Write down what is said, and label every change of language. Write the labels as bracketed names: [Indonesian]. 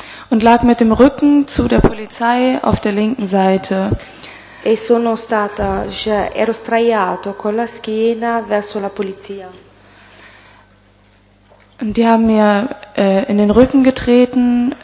[German] Und lag mit dem Rücken zu der Polizei auf der linken Seite. [Italian] E sono stata, cioè, ero straiato con la schiena verso la polizia. [German] Und die haben mir in den Rücken getreten.